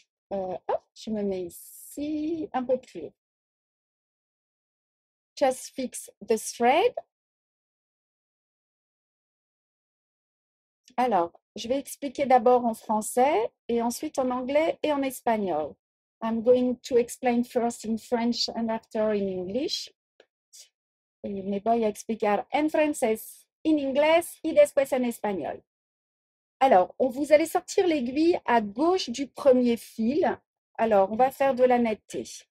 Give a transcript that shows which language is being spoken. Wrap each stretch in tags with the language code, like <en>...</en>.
<fr>Hop, je me mets ici un peu plus.</fr> <en>Just fix the thread.</en> <fr>Alors, je vais expliquer d'abord en français et ensuite en anglais et en espagnol.</fr> <en>I'm going to explain first in French and after in English.</en> <es>Y me voy a explicar en francés, en inglés y después en español.</es> <fr>Alors, vous allez sortir l'aiguille à gauche du premier fil. Alors, on va faire de la netteté.</fr>